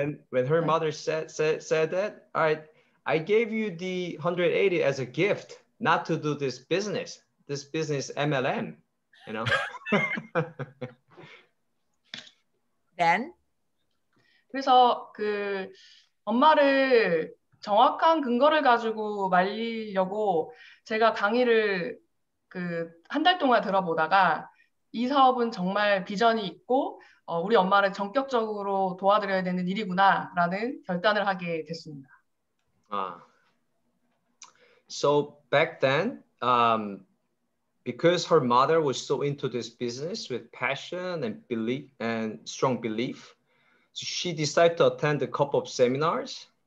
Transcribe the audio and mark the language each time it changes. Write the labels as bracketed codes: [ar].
[en] When her mother said that, I gave you the 180 as a gift not to do this business MLM, you know. Then [ko] 그래서 그 엄마를 정확한 근거를 가지고 말리려고 제가 강의를 그 한 달 동안 들어보다가 이 사업은 정말 비전이 있고 우리 엄마를 전격적으로 도와드려야 되는 일이구나라는 결단을 하게 됐습니다. [en] So back then, because her mother was so into this business with passion and belief and strong belief, she decided to attend a couple of seminars.